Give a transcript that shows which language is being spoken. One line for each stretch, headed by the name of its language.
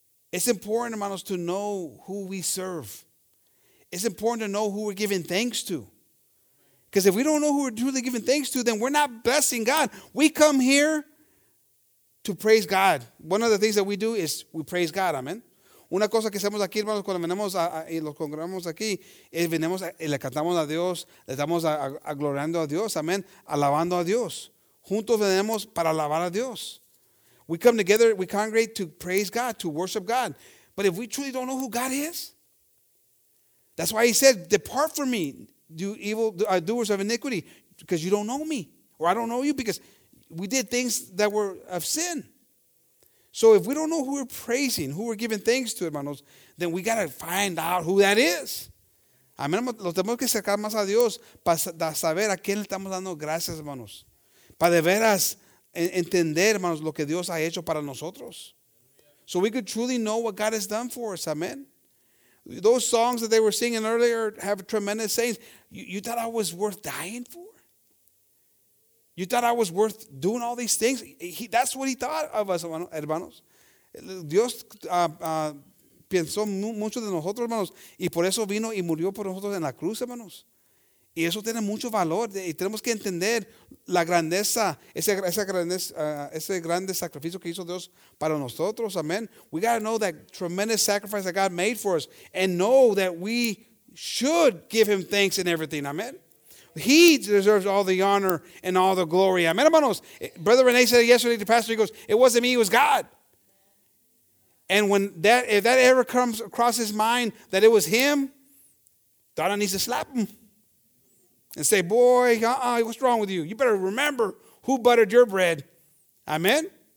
English: It's important, hermanos, to know who we serve. It's important to know who we're giving thanks to. Because if we don't know who we're truly giving thanks to, then we're not blessing God. We come here to praise God. One of the things that we do is we praise God. Amen.
Spanish: Una cosa que hacemos aquí, hermanos, cuando venimos y los congregamos aquí, es venimos y le cantamos a Dios, le estamos a gloriando a Dios, amén, alabando a Dios. Juntos venimos para alabar a Dios.
English: We come together, we congregate to praise God, to worship God. But if we truly don't know who God is, that's why he said, depart from me, doers of iniquity, because you don't know me, or I don't know you, because we did things that were of sin. So if we don't know who we're praising, who we're giving thanks to, hermanos, then we got to find out who that is.
Spanish: Amén, los tenemos que acercar más a Dios para saber a quién le estamos dando gracias, hermanos. Para de veras entender, hermanos, lo que Dios ha hecho para nosotros.
English: So we could truly know what God has done for us, amen. Those songs that they were singing earlier have tremendous sayings. You thought I was worth dying for? You thought I was worth doing all these things? That's what he thought of us, hermanos. Dios
Spanish: pensó mucho de nosotros, hermanos, y por eso vino y murió por nosotros en la cruz, hermanos. Y eso tiene mucho valor, y tenemos que entender la grandeza, ese grande sacrificio que hizo Dios para nosotros, amén.
English: We got to know that tremendous sacrifice that God made for us, and know that we should give him thanks in everything, amén. He deserves all the honor and all the glory, amén, hermanos. Brother Rene said yesterday to the pastor, he goes, it wasn't me, it was God. And when that, if that ever comes across his mind that it was him, Donna needs to slap him and say, boy, what's wrong with you? You better remember who buttered your bread. Amen?